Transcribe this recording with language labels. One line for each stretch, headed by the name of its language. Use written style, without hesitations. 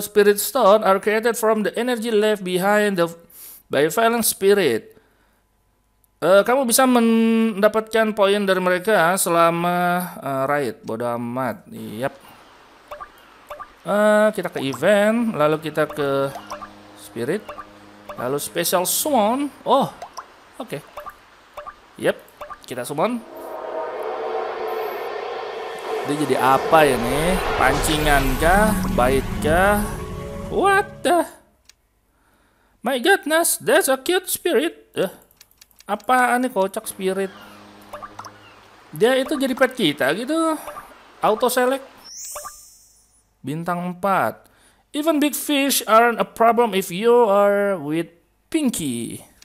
English: Spirit stone are created from the energy left behind by violent spirit.
Indonesian: Kamu bisa mendapatkan poin dari mereka selama raid. Bodoh amat. Yep. Kita ke event, lalu kita ke spirit, lalu special summon. Oh, oke. Okay. Yep, kita summon. Ini jadi apa ini? Pancingan kah? Bait kah?
English: What the? My goodness, that's a cute spirit.
Indonesian: Apaan nih kocak spirit? Dia itu jadi pet kita gitu.
English: Auto select.
Indonesian: Bintang 4.
English: Even big fish aren't a problem if you are with Pinky.